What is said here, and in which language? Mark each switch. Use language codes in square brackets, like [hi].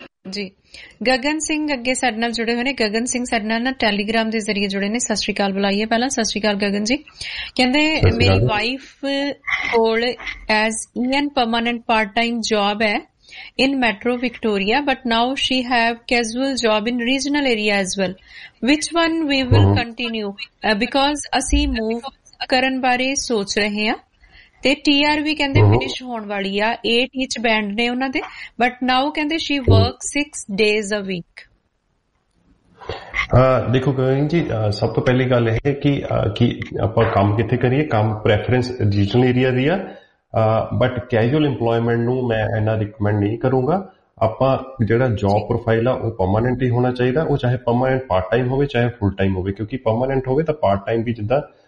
[pa] ਜੀ ਗਗਨ ਸਿੰਘ ਅੱਗੇ ਸਾਡੇ ਨਾਲ ਜੁੜੇ ਹੋਏ ਨੇ ਗਗਨ ਸਿੰਘ ਸਾਡੇ ਨਾਲ ਟੈਲੀਗ੍ਰਾਮ ਦੇ ਜ਼ਰੀਏ ਜੁੜੇ ਨੇ ਸਤਿ ਸ੍ਰੀ ਅਕਾਲ ਬੁਲਾਈਏ ਪਹਿਲਾਂ ਸਤਿ ਸ੍ਰੀ ਅਕਾਲ ਗਗਨ ਜੀ ਕਹਿੰਦੇ ਮੇਰੀ ਵਾਈਫ ਕੋਲ as EN permanent part time job ਹੈ [en] in Metro Victoria, but now she have casual job in regional area as well. Which one we will continue? [pa] Because asi move karan bare soch rahe ha. ਤੇ T R ਵੀ ਕਹਿੰਦੇ finish ਹੋਣ ਵਾਲੀ ਆ 8 inch band ਨੇ ਉਹਨਾਂ ਦੇ but now ਕਹਿੰਦੇ [en] she work 6 days a week [pa] ਦੇਖੋ ਕਵਿੰਦਰ ਜੀ ਸਭ ਤੋਂ ਪਹਿਲੀ ਗੱਲ ਇਹ ਹੈ ਕਿ ਆਪਾਂ ਕੰਮ ਕਿੱਥੇ ਕਰੀਏ ਕੰਮ ਪ੍ਰੈਫਰੈਂਸ ਰੀਜਨਲ ਏਰੀਆ ਦੀ ਆ ਬਟ ਕੈਜੂਅਲ ਇੰਪਲੋਇਮੈਂਟ ਨੂੰ ਮੈਂ ਇੰਨਾ ਰਿਕਮੈਂਡ ਨਹੀਂ ਕਰੂੰਗਾ ਆਪਾਂ ਜਿਹੜਾ ਜੋਬ ਪ੍ਰੋਫਾਈਲ ਆ ਉਹ ਪਰਮਾਨੈਂਟ ਹੀ ਹੋਣਾ ਚਾਹੀਦਾ ਉਹ ਚਾਹੇ ਪਰਮਾਨੈਂਟ ਪਾਰਟ ਟਾਈਮ ਹੋਵੇ ਚਾਹੇ ਫੁੱਲ ਟਾਈਮ ਹੋਵੇ ਕਿਉਂਕਿ ਪਰਮਾਨੈਂਟ ਹੋਵੇ ਤਾਂ ਪਾਰਟ ਟਾਈਮ ਵੀ ਜਿੱਦਾਂ